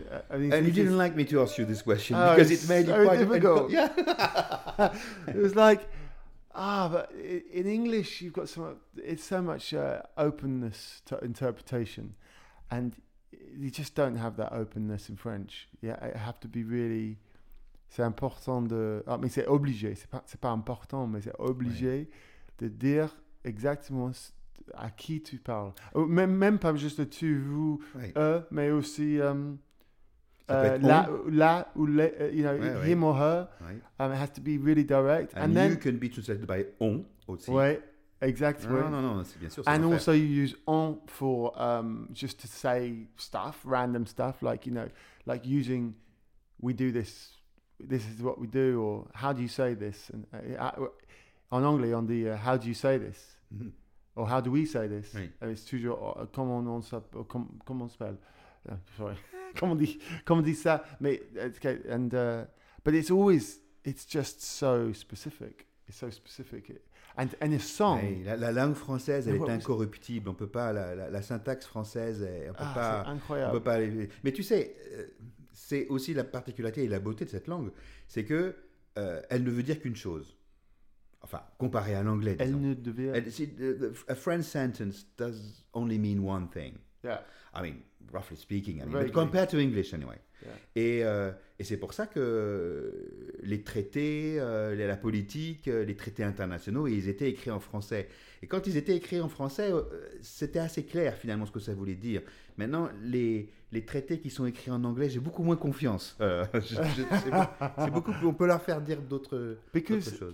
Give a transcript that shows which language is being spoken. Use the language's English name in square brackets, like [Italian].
[English] And you didn't like me to ask you this question because it made so it quite difficult. Yeah. It was like, but in English, you've got so much openness to interpretation, and you just don't have that openness in French. Yeah, I have to be really. [French] C'est important de... Ah, mais c'est obligé. C'est pas important, mais c'est obligé de dire exactement à qui tu parles. Même pas juste tu, vous, eux, mais aussi là ou les, [English] him or her. Right. It has to be really direct. And you can be translated by on aussi. Oui, exactly. [French] Non, c'est bien sûr. [English] And also you use on for just to say stuff, random stuff, like using we do this. This is what we do, or how do you say this? And [French] en anglais, on dit [English] how do you say this, or how do we say this? [French] Oui. [English] It's [French] toujours comment on s'appelle? [English] Sorry, [French] comment on dit ça? Mais [English] okay, but it's always just so specific. It's so specific. And a song. Hey, [French] la langue française, elle est incorruptible. On peut pas la syntaxe française. C'est incroyable. On peut pas. Mais tu sais. C'est aussi la particularité et la beauté de cette langue, c'est que elle ne veut dire qu'une chose. Enfin, comparé à l'anglais, elle disons. Ne devait. Elle, [English] a French sentence does only mean one thing. Yeah. I mean, roughly speaking. I mean, but compared to English, anyway. Yeah. [French] Et c'est pour ça que les traités, la politique, les traités internationaux, ils étaient écrits en français. Et quand ils étaient écrits en français, c'était assez clair finalement ce que ça voulait dire. Maintenant, les traités qui sont écrits en anglais, j'ai beaucoup moins confiance. C'est beaucoup plus, on peut leur faire dire d'autres choses.